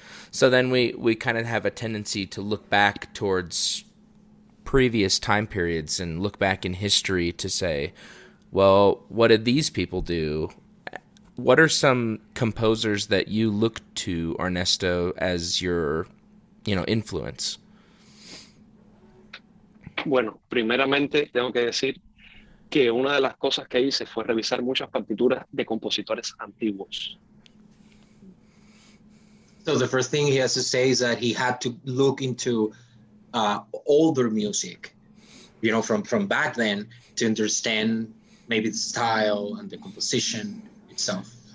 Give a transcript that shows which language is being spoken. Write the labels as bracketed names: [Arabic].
[English] So then we kind of have a tendency to look back towards previous time periods and look back in history to say, well, what did these people do? What are some composers that you look to, Ernesto, as your, you know, influence? [Spanish] Bueno, primeramente tengo que decir que una de las cosas que hice fue revisar muchas partituras de compositores antiguos. [English] So the first thing he has to say is that he had to look into older music, you know, from back then to understand maybe the style and the composition itself.